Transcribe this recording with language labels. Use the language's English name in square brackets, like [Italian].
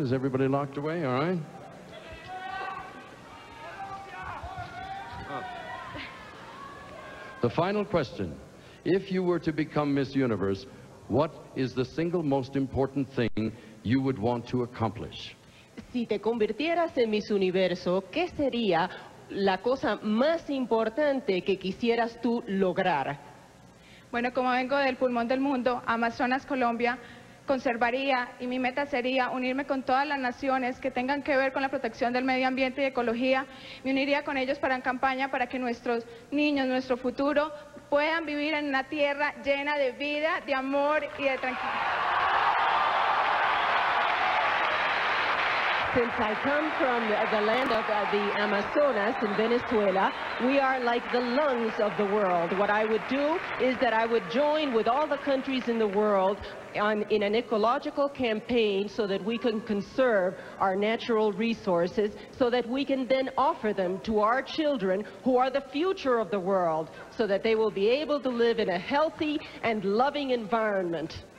[English] Is everybody locked away? All right. The final question. If you were to become Miss Universe, what is the single most important thing you would want to accomplish? [Spanish] Si te convirtieras en Miss Universo, ¿qué sería la cosa más importante que quisieras tú lograr? Bueno, como vengo del pulmón del mundo, Amazonas, Colombia, conservaría y mi meta sería unirme con todas las naciones que tengan que ver con la protección del medio ambiente y ecología. Me uniría con ellos para en campaña para que nuestros niños, nuestro futuro, puedan vivir en una tierra llena de vida, de amor y de tranquilidad. [English] Since I come from the land of the Amazonas in Venezuela, we are like the lungs of the world. What I would do is that I would join with all the countries in the world in an ecological campaign so that we can conserve our natural resources so that we can then offer them to our children who are the future of the world so that they will be able to live in a healthy and loving environment.